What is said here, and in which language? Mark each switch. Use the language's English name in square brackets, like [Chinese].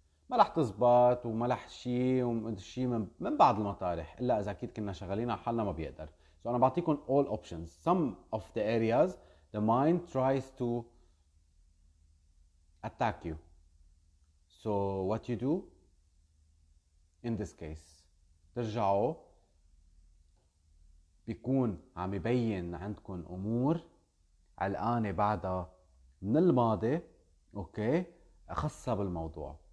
[Arabic] ما رح تزبط وما رح شيء وشيء من بعض المطارح الا اذا اكيد كنا شغالين على حالنا ما بيقدر. So انا بعطيكم [English] all options. Some of the areas the mind tries to attack you. So what you do in this case, [Arabic] ترجعوا بيكون عم يبين عندكم امور علقانه بعدها من الماضي اوكي خاصه بالموضوع.